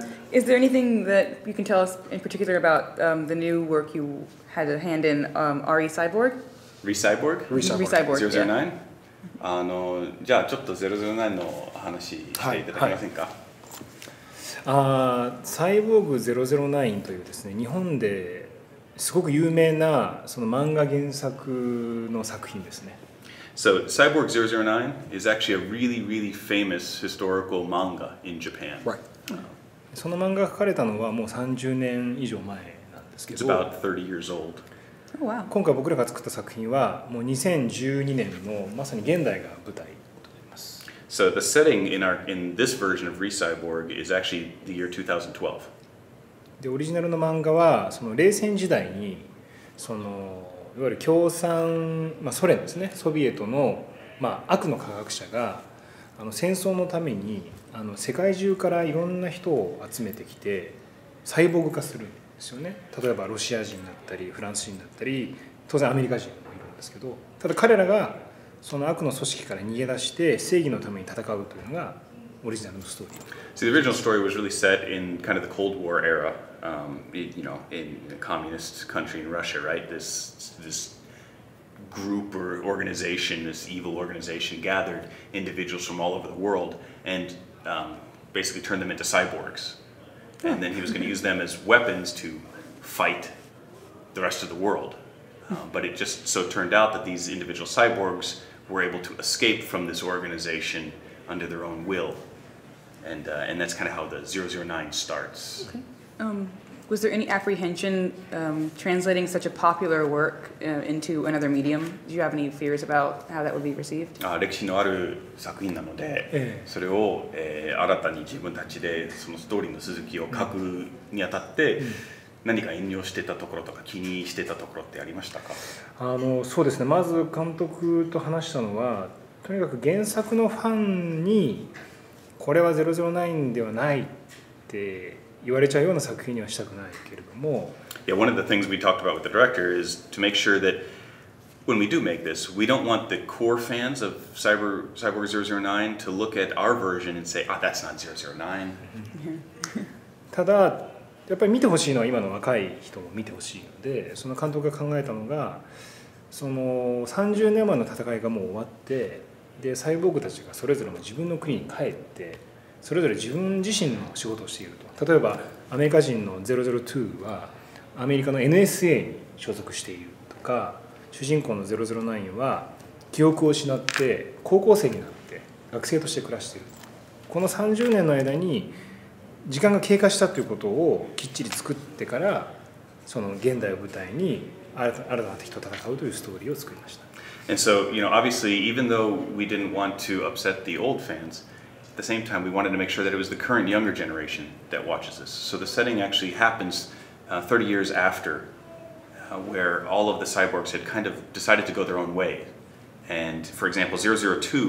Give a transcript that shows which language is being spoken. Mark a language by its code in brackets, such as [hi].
[en] Is there anything that you can tell us in particular about the new work you had a hand in, RE Cyborg? Re-Cyborg? Re-Cyborg, yeah. 009? [ja] じゃあちょっと009の話していただけませんか、はいはい、あサイボーグ009というですね日本ですごく有名なその漫画原作の作品ですね [en] So Cyborg 009 is actually a really really famous historical manga in Japan、 right. [ja] その漫画が書かれたのはもう30年以上前なんですけど [en] It's about 30 years old Oh, wow. [ja] 今回僕らが作った作品はもう2012年のまさに現代が舞台となります。 [en] So the setting in this version of Re-Cyborg is actually the year 2012. [ja] で、オリジナルの漫画はその冷戦時代にそのいわゆる共産、まあ、ソ連ですね、ソビエトの、まあ、悪の科学者が戦争のために世界中からいろんな人を集めてきてサイボーグ化する。例えばロシア人だったりフランス人だったり当然アメリカ人もいるんですけどただ彼らがその悪の組織から逃げ出して正義のために戦うというのがオリジナルのストーリー [en] See, the original story was really set in kind of the Cold War era, you know, in a communist country in Russia, right? This group or organization, this evil organization gathered individuals from all over the world and basically turned them into cyborgs. And then he was going to use them as weapons to fight the rest of the world. But it just so turned out that these individual cyborgs were able to escape from this organization under their own will. And that's kind of how the 009 starts. Okay. Was there any apprehension translating such a popular work into another medium? Do you have any fears about how that would be received? [ja] 歴史のある作品なので、それを、新たに自分たちでそのストーリーの続きを書くにあたって、何か遠慮してたところとか気にしてたところってありましたか？そうですね。まず監督と話したのは、とにかく原作のファンにこれは009ではないって言われちゃうような作品にはしたくないけれども [en] Yeah, one of the things we talked about with the director is to make sure that when we do make this, we don't want the core fans of Cyborg 009 to look at our version and say, ah, that's not 009. [ja] ただ、やっぱり見てほしいのは今の若い人も見てほしいので、その監督が考えたのが、その30年前の戦いがもう終わって、で、サイボーグたちがそれぞれも自分の国に帰って、それぞれ自分自身の仕事をしていると。例えばアメリカ人の002はアメリカの NSA に所属しているとか、主人公の009は記憶を失って高校生になって学生として暮らしている。この30年の間に時間が経過したということをきっちり作ってから、その現代を舞台に新たな敵と戦うというストーリーを作りました。 [en] And so, you know, obviously, even though we didn't want to upset the old fans,At the same time, we wanted to make sure that it was the current younger generation that watches this. So the setting actually happens 30 years after, where all of the cyborgs had kind of decided to go their own way. And for example, 002